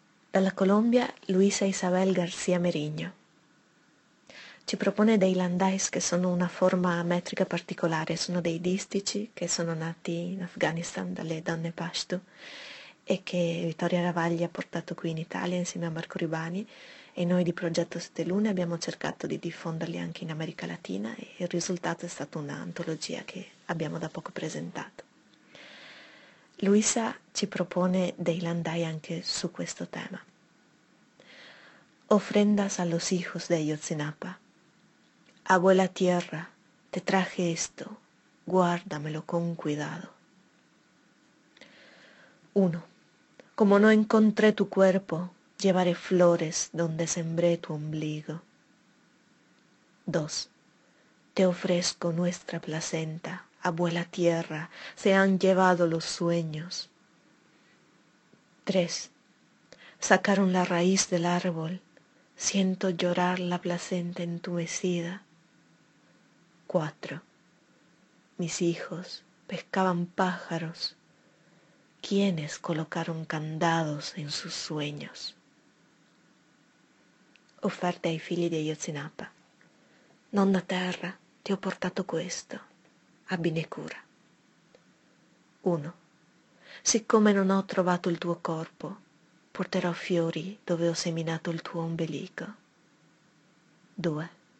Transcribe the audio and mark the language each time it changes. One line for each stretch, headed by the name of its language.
Italian: Dalla Colombia, Luisa Isabel García Meriño. ci propone dei Landais che sono una forma metrica particolare, sono dei distici che sono nati in Afghanistan dalle donne Pashto e che Vittoria Ravagli ha portato qui in Italia insieme a Marco Ribani e noi di Progetto Sette Lune abbiamo cercato di diffonderli anche in America Latina e il risultato è stata un'antologia che abbiamo da poco presentato. Luisa ci propone dei Landai anche su questo tema.
Spanish: Ofrendas a los hijos de Ayotzinapa. Abuela Tierra, te traje esto, guárdamelo con cuidado. 1. Como no encontré tu cuerpo, llevaré flores donde sembré tu ombligo. 2. Te ofrezco nuestra placenta, abuela Tierra, se han llevado los sueños. 3. Sacaron la raíz del árbol, siento llorar la placenta entumecida. 4. Mis hijos pescaban pájaros. ¿Quiénes colocaron candados en sus sueños?
Italian: Offerte ai figli di Ayotzinapa. Nonna terra, ti ho portato questo. Abbine cura. 1. Siccome non ho trovato il tuo corpo, porterò fiori dove ho seminato il tuo ombelico. 2.